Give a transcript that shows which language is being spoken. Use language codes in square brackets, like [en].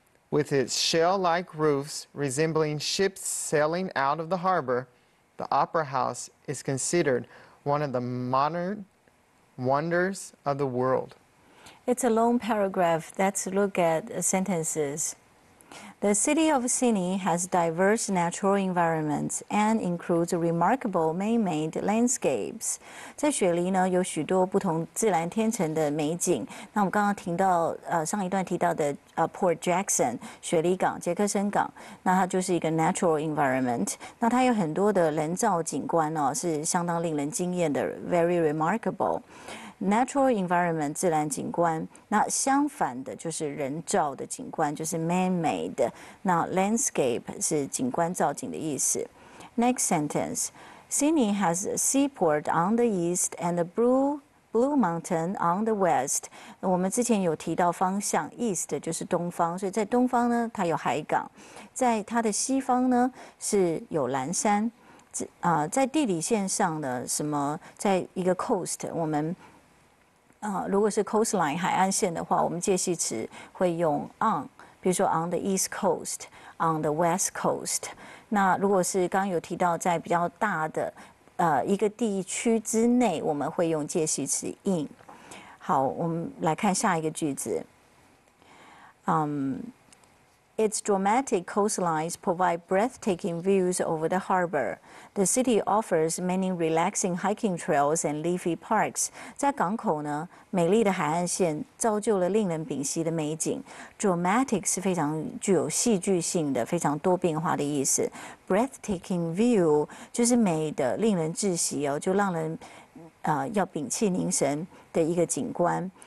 [en] With its shell-like roofs resembling ships sailing out of the harbor, the Opera House is considered one of the modern wonders of the world. It's a long paragraph. Let's look at sentences. The city of Sydney has diverse natural environments and includes remarkable man-made landscapes. [zh] 在雪梨呢，有许多不同自然天成的美景。那我们刚刚听到上一段提到的Port Jackson 雪梨港、杰克森港，那它就是一个 natural environment。那它有很多的人造景观哦，是相当令人惊艳的 ， [en] very remarkable。 [zh] Natural environment 自然景观，那相反的就是人造的景观，就是 man-made。那 landscape 是景观造景的意思。 [en] Next sentence, Sydney has a seaport on the east and a blue Blue Mountain on the west. [zh] 我们之前有提到方向 ，east 就是东方，所以在东方呢，它有海港；在它的西方呢，是有蓝山。在地理线上的什么，在一个 coast， 我们如果是 coastline 海岸线的话，我们介系词会用 on， 比如说 [en] on the east coast， on the west coast。 [zh] 那如果是刚刚有提到在比较大的一个地区之内，我们会用介系词 in。好，我们来看下一个句子。 [en] Its dramatic coastlines provide breathtaking views over the harbor. The city offers many relaxing hiking trails and leafy parks. [zh] 在港口呢，美丽的海岸线造就了令人屏息的美景。 Dramatic 是非常具有戏剧性的，非常多变化的意思。 Breathtaking view 就是美的，令人窒息哦，就让人要屏气凝神的一个景观。